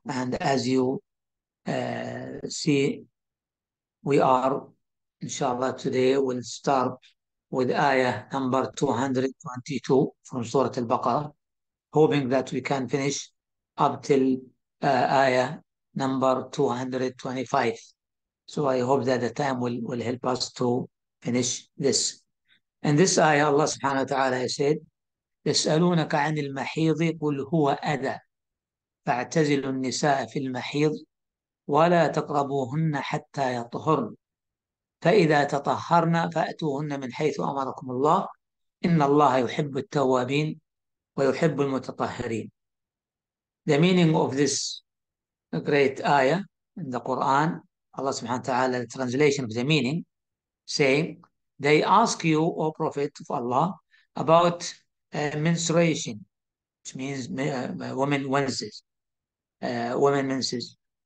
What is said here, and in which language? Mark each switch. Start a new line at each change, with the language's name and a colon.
English: And as you see, we are, inshallah, today we'll start with ayah number 222 from Surah Al-Baqarah, hoping that we can finish up till ayah number 225. So I hope that the time will help us to finish this. In this ayah, Allah subhanahu wa ta'ala said,
Arabic: يسألونك عن المحيض قل هو أذى فاعتزلوا النساء في المحيض ولا تقربوهن حتى يطهرن فإذا تطهرن فأتوهن من حيث أمركم الله إن الله يحب التوابين ويحب المتطهرين.
English: The meaning of this great ayah in the Quran, Allah subhanahu wa ta'ala, the translation of the meaning, saying, they ask you, O Prophet of Allah, about menstruation, which means woman menses, woman menses.